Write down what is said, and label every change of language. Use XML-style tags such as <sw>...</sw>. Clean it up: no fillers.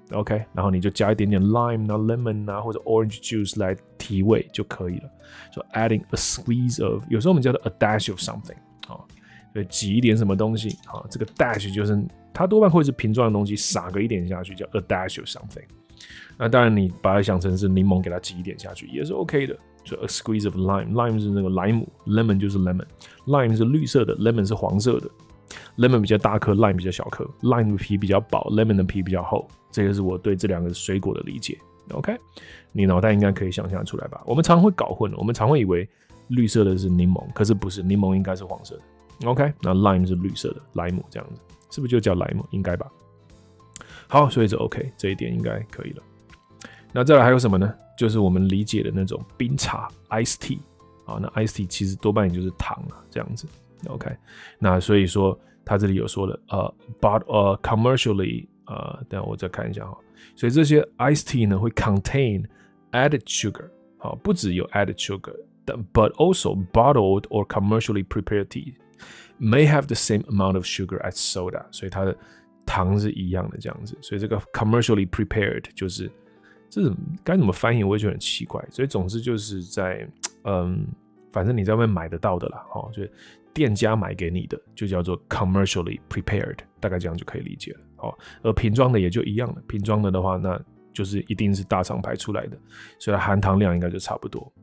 <zh>OK， 然后你就加一点点 lime 啊、lemon 啊或者 orange juice 来提味就可以了。 So adding a squeeze of， 有时候我们叫做 a dash of something， 啊、哦，所以挤一点什么东西啊、哦，这个 dash 就是它多半会是瓶装的东西，撒个一点下去叫 a dash of something。那当然你把它想成是柠檬，给它挤一点下去也是 OK 的。 So a squeeze of lime 是那个莱姆 ，lemon 就是 lemon，lime 是绿色的 ，lemon 是黄色的。 Lemon 比较大颗 ，lime 比较小颗。Lime 的皮比较薄 ，lemon 的皮比较厚。这个是我对这两个水果的理解。OK， 你脑袋应该可以想象出来吧？我们常会搞混，我们常会以为绿色的是柠檬，可是不是，柠檬应该是黄色的。 OK， 那 lime 是绿色的，莱姆这样子，是不是就叫莱姆？应该吧？好，所以这 OK， 这一点应该可以了。那再来还有什么呢？就是我们理解的那种冰茶 （ice tea） 啊，那 ice tea 其实多半也就是糖啊，这样子。 OK， 那所以说他这里有说了，commercially， 等下我再看一下哈。所以这些</zh> <en>iced tea</en> <zh>呢会</zh> <en>contain added sugar，</en> <zh>好，不只有</zh> <en>added sugar， but also bottled or commercially prepared tea may have the same amount of sugar as soda，</en> <zh>所以它的糖是一样的这样子。所以这个 commercially prepared 就是这是该怎么翻译我也觉得很奇怪。所以总之就是在反正你在外面买得到的啦，哈，就是店家买给你的就叫做 commercially prepared， 大概这样就可以理解了。好，而瓶装的也就一样了，瓶装的话，那就是一定是大厂牌出来的，所以含糖量应该就差不多。</zh>